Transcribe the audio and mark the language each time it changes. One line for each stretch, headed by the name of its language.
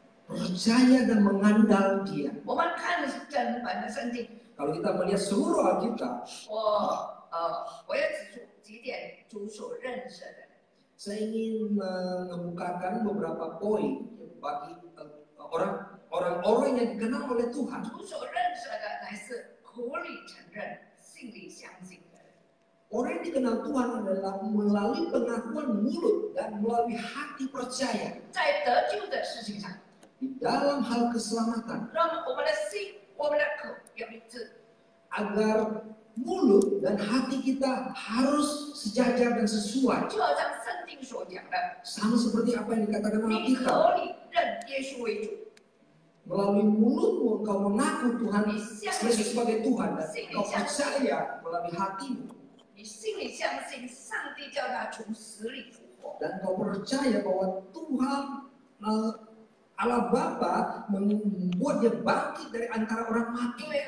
Indonesian: percaya dan mengandalkan Dia.
Chinese: 我们看整本的圣经。
Indonesian: Kalau kita melihat seluruh Alkitab,
Chinese: 我要指出几点主所认识的。
Indonesian: Saya ingin mengemukakan beberapa poin bagi orang-orang yang dikenal oleh Tuhan.
Chinese: 主所认识的乃是口里承认，心里相信的。
Indonesian: Orang yang dikenal Tuhan adalah melalui pengakuan mulut dan melalui hati percaya.
Chinese: 在得救的事情上。
Indonesian: Di dalam hal keselamatan.
Chinese: 让我们的心，我们的口要一致。
Indonesian: Agar mulut dan hati kita harus sejajar dan sesuai.
Chinese: 就好像圣经所讲的,
Indonesian: 像 seperti apa yang dikatakan oleh kita.
Chinese: 你口里认耶稣为主。
Indonesian: Melalui mulutmu engkau mengaku Tuhan Yesus sebagai Tuhan dan engkau percaya melalui hatimu.
Chinese: 你心里相信上帝叫他从死里复活。
Indonesian: Dan engkau percaya bahwa Tuhan Allah Bapa membuat dia bangkit dari antara orang mati.